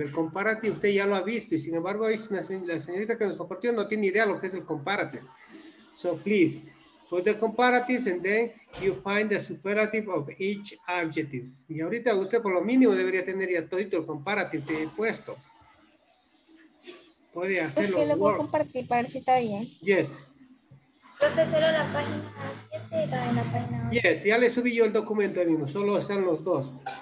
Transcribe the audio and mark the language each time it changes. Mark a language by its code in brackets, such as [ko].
[es] El comparative usted ya lo ha visto. Y sin embargo, la señorita que nos compartió no tiene idea lo que es el comparative. [en] So please, put the comparatives and then you find the superlative of each adjective. [es] Y ahorita usted por lo mínimo debería tener ya todito el comparative de puesto. Puede hacerlo. Pues que lo voy a compartir para ver si está bien. [en] Yes. [es] Profesor, la página 7 Yes, ya le subí yo el documento mismo, solo están los dos.